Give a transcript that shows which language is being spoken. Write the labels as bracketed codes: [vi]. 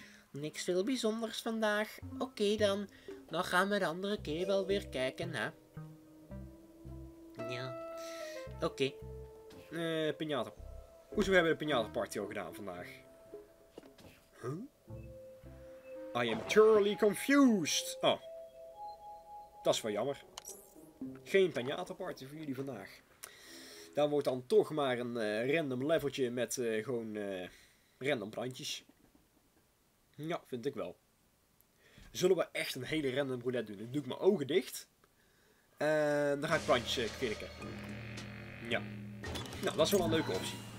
[nl] Niks veel bijzonders vandaag. Oké, dan. Dan gaan we de andere keer wel weer kijken, hè? Ja. Oké. Pinata. Hoezo hebben we de Pinata Party al gedaan vandaag? Huh? [en] I am thoroughly confused. [nl] Oh. Dat is wel jammer. Geen pinata party voor jullie vandaag. Dan wordt dan toch maar een random leveltje met gewoon random brandjes. Ja, vind ik wel. Zullen we echt een hele random roulette doen? Dan doe ik mijn ogen dicht. En dan ga ik brandjes klikken. Ja. Nou, dat is wel een leuke optie.